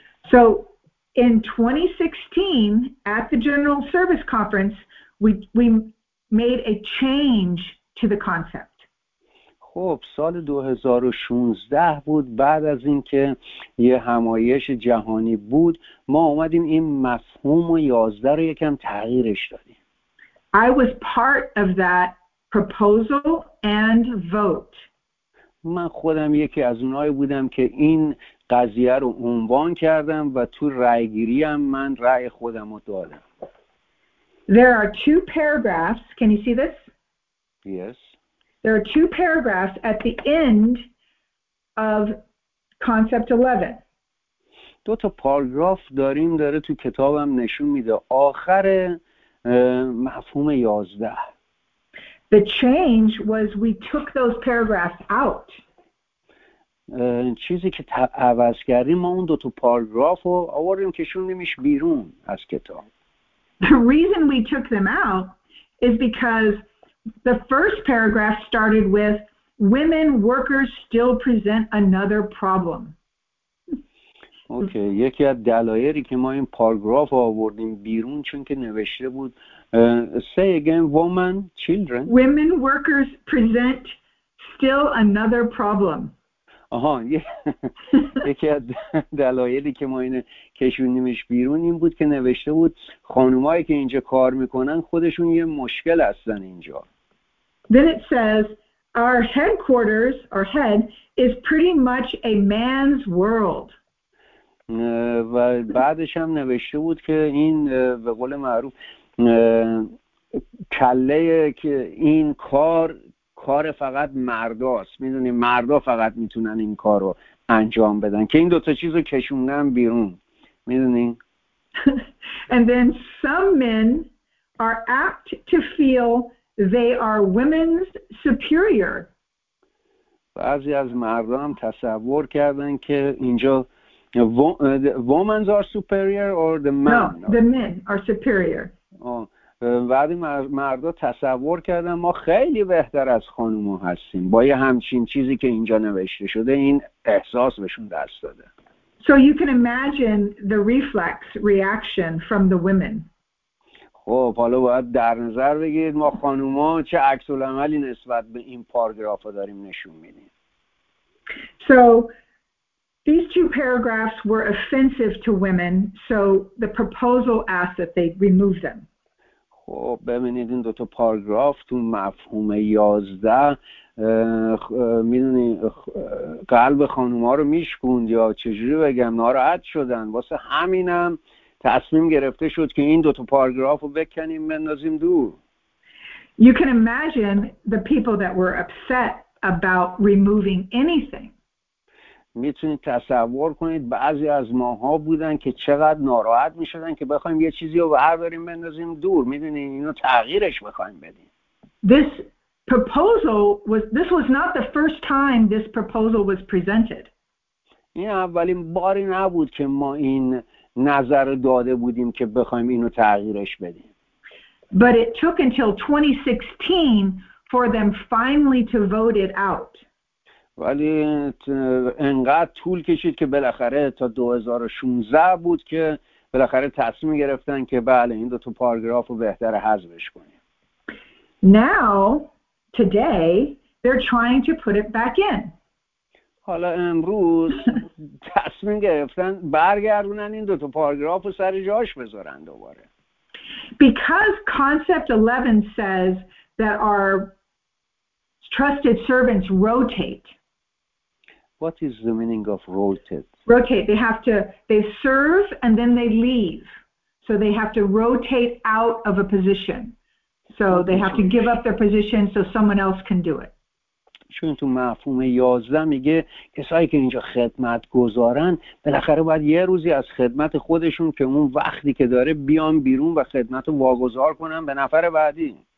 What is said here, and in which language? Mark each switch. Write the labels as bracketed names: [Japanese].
[English] So in 2016 at the General Service Conference we made a change to the concept. [Persian] خب سال 2016 بود، بعد از اینکه یه همایش جهانی بود ما اومدیم این مفهوم 11 رو یکم تغییرش دادیم. [English] I was part of that proposal and vote. [Persian] من خودم یکی از اونایی بودم که این قضیه رو عنوان کردم و تو رأی گیری هم من رأی خودم رو دادم. [English] There are two paragraphs. Can you see this? Yes. There are two paragraphs at the end of concept 11. [Persian] دو تا پاراگراف داریم، داره تو کتابم نشون میده آخر مفهوم 11. [English] The change was we took those paragraphs out. [Persian] چیزی که عوض کردیم، ما اون دو تا پاراگراف رو آوردیم کشوندیمش بیرون از کتاب. [English] The reason we took them out is because the first paragraph started with women workers still present another problem. [Persian] اوکی، یکی از دلایلی که ما این پاراگراف رو آوردیم بیرون چون که نوشته بود [English] say again women children. Women workers present still another problem. [Persian] آها، یکی از دلایلی که ما اینو کشوندیمش بیرون این بود که نوشته بود خانومایی که اینجا کار میکنن خودشون یه مشکل هستن اینجا. [English] Then it says our headquarters, our head is pretty much a man's world. [Persian] و بعدش هم نوشته بود که این به قول معروف کله که این کار فقط مرداست، میدونی مردا فقط میتونن این کار رو انجام بدن، که این دوتا چیز رو کشوندن بیرون، میدونی. [English] And then some men are apt to feel they are women's superior. [Persian] بعضی از مردا هم تصور کردن که اینجا [English] women's are superior or the men. No, the men are superior. [Persian] بعدی مردا تصور کردن ما خیلی بهتر از خانوما هستیم، با یه همچین چیزی که اینجا نوشته شده این احساس بهشون دست داده. [English] So you can imagine the reflex reaction from the women. [Persian] خب حالا باید در نظر بگیرید ما خانوما چه عکس العملی نسبت به این پاراگراف داریم نشون میدیم. [English] So these two paragraphs were offensive to women, so the proposal asked that they remove them. [Persian] خب ببینید این دو تا پاراگراف تو مفهوم 11 میدونی قلب خانوما رو میشکوند یا چجوری بگم ناراحت شدن واسه همینم تصمیم گرفته شد که این دو تا پاراگراف رو بکنیم بندازیم دور. [English] You can imagine the people that were upset about removing anything. [Persian] میتونید تصور کنید بعضی از ماها بودن که چقدر ناراحت میشدن که بخوایم یه چیزی رو برداریم بندازیم دور. میدونید اینو تغییرش بخوایم بدیم. [English] This was not the first time this proposal was presented. [Persian] این اولین باری نبود که ما این نظر داده بودیم که بخوایم اینو تغییرش بدیم. [English] But it took until 2016 for them finally to vote it out. [Persian] ولی انقدر طول کشید که بالاخره تا 2016 بود که بالاخره تصمیم گرفتن که بله این دو تا پاراگراف رو بهتر حذفش کنیم. [English] Now, today, they're trying to put it back in. [Persian] حالا امروز تصمیم گرفتن برگردونن این دو تا پاراگراف رو سر جاش بذارن دوباره. [English] Because concept 11 says that our trusted servants rotate. What is the meaning of rotate? Rotate. They serve and then they leave. So they have to rotate out of a position. So they have to give up their position so someone else can do it. [Persian] چون تو مفهوم 11 میگه کسایی که اینجا خدمت گذارن بالاخره باید یه روزی از خدمت خودشون که اون وقتی که داره بیان بیرون و خدمت رو واگذار کنن به نفر بعدی.